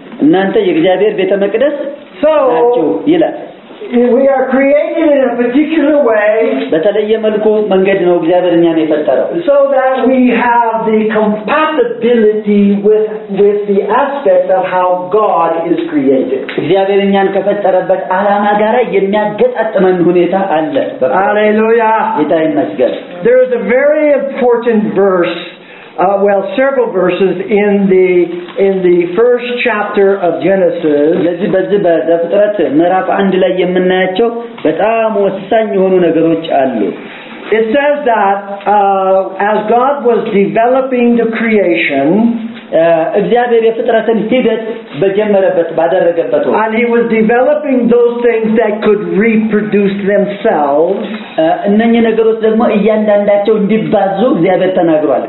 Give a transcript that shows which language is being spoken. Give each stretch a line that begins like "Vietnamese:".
Amharic: እናንተ የእግዚአብሔር ቤተ መቅደስ ናችሁ ይላል.
English: We are created in a particular way.
Amharic: በተለየ መልኩ መንገድ ነው እግዚአብሔር እኛን የፈጠረው.
English: So that we have the compatibility with the aspect of how God is created.
Amharic: እግዚአብሔር እኛን ከፈጠረበት ዓላማ ጋር የሚያገጣጥመን ሁኔታ አለ.
English: Hallelujah.
Amharic: ጌታ ይመስገን.
English: There is a very important verse, several verses in the first chapter of Genesis.
Amharic: ለዚህ በዚህ በፍጥረት ምዕራፍ 1 ላይ የምናያቸው በጣም ወሳኝ የሆኑ ነገሮች አሉ.
English: It says that as God was developing the creation,
Amharic: እግዚአብሔር የፍጥረትን ሂደት በጀመረበት ባደረገበት
English: ወቅት, and he was developing those things that could reproduce themselves,
Amharic: እነኚህ ነገሮች ደግሞ እያንዳንዳቸው እንዲባዙ እግዚአብሔር ተናግሯል.